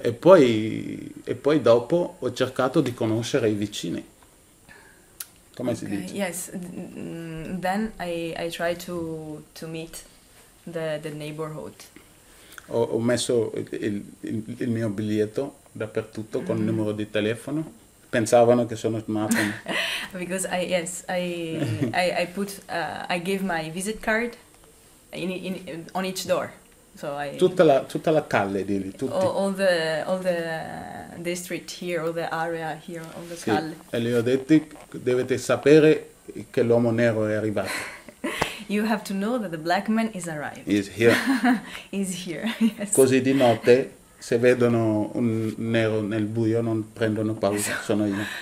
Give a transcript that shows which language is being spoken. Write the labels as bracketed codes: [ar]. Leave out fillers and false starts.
[it] E poi dopo ho cercato di conoscere I vicini. Come si dice? [en] Yes, then I try to meet the neighborhood. [it] Ho messo il mio biglietto dappertutto con il numero di telefono. Pensavano che sono matto. [en] Because I give my visit card in on each door. So I [it] tutta la calle di lì, tutti. [en] All the district here, all the area here on the calle. [it] E gli ho detto, dovete sapere che l'uomo nero è arrivato. [en] You have to know that the black man is arrived. Is here. Is here. Yes. [it] Così di notte, se vedono un nero nel buio, non prendono paura, sono io.